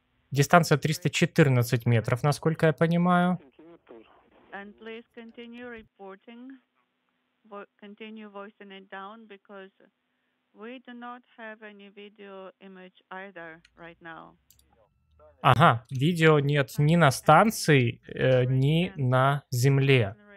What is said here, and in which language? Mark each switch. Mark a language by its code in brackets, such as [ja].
[ru] Дистанция 314 метров, насколько я понимаю. [en] And please continue reporting, continue voicing it down, because... We do not have any video image either right now. [ru] Ага, видео нет ни на станции, ни на земле.